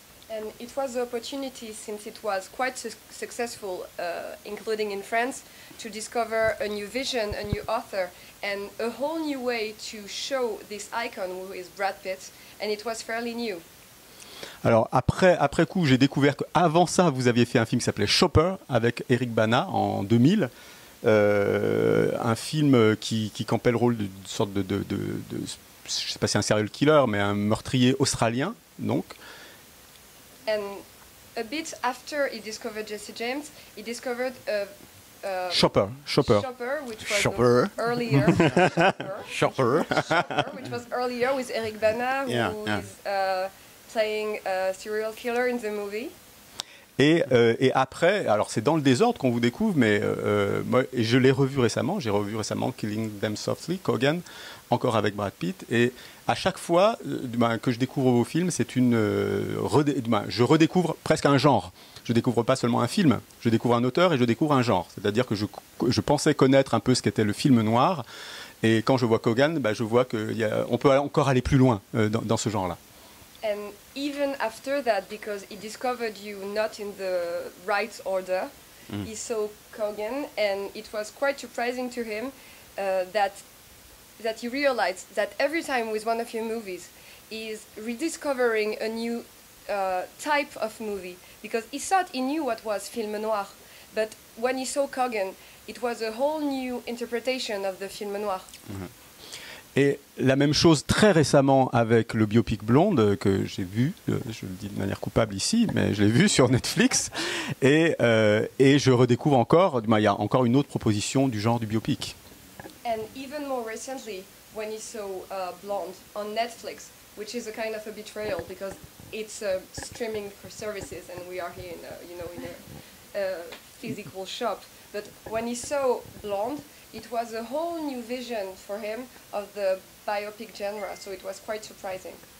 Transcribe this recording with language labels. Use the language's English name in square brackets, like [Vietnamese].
[English] And it was an opportunity, since it was quite successful, including in France, to discover a new vision, a new author, and a whole new way to show this icon, who is Brad Pitt, and it was fairly new. [French] Alors après coup, j'ai découvert qu'avant ça, vous aviez fait un film qui s'appelait Chopper avec Eric Bana en 2000. Un film qui campait le rôle d'une sorte de je ne sais pas si c'est un serial killer, mais un meurtrier australien, donc. [English] And a bit after he discovered Jesse James, he discovered a Shopper. Shopper. Which was earlier with Eric Bana, who playing a serial killer in the movie. [French] Et après, alors c'est dans le désordre qu'on vous découvre, mais moi, je l'ai revu récemment. J'ai revu récemment Killing Them Softly, Cogan, encore avec Brad Pitt. Et à chaque fois que je découvre vos films, c'est une je redécouvre presque un genre. Je découvre pas seulement un film, je découvre un auteur et je découvre un genre. C'est-à-dire que je pensais connaître un peu ce qu'était le film noir, et quand je vois Cogan, je vois qu'on peut encore aller plus loin dans ce genre-là. [English] And even after that, because he discovered you not in the right order, he saw Cogan, and it was quite surprising to him that he realized that every time with one of your movies, he's rediscovering a new type of movie, because he thought he knew what was film noir, but when he saw Cogan, it was a whole new interpretation of the film noir. Mm-hmm. [French] Et la même chose très récemment avec le biopic Blonde que j'ai vu, je le dis de manière coupable ici, mais je l'ai vu sur Netflix. Et je redécouvre encore, il y a encore une autre proposition du genre du biopic. [English] And even more recently, when you saw Blonde on Netflix, which is a kind of a betrayal because it's streaming for services and we are here in a physical shop. But when you saw Blonde, it was a whole new vision for him of the biopic genre, so it was quite surprising.